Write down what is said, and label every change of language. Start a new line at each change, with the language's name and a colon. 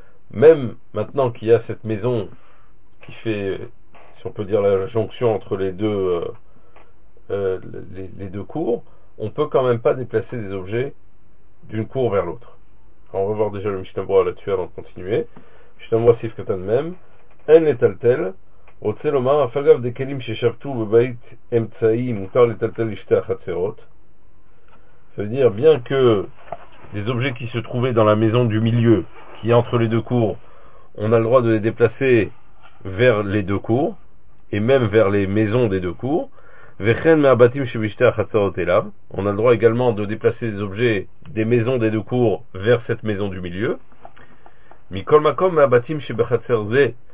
French: Même maintenant qu'il y a cette maison qui fait, si on peut dire, la jonction entre les deux cours, on ne peut quand même pas déplacer des objets d'une cour vers l'autre. Alors on va voir déjà le Mishnah Brura là-dessus avant de continuer. Mishnah Brura Sif Katan Mem. En est tel.
Hebrew: רוצה לומר, אף אגב דקלים ששבתו בבית אמצעי מותר לטלטל לשתי החצרות.
French: Ça veut dire, bien que les objets qui se trouvaient dans la maison du milieu, qui est entre les deux cours, on a le droit de les déplacer vers les deux cours, et même vers les maisons des deux cours.
Hebrew: וכן מהבתים שבשתי החצרות אליו.
French: On a le droit également de déplacer les objets des maisons des deux cours vers cette maison du milieu.
Hebrew: מכל מקום מהבתים שבחצר זה.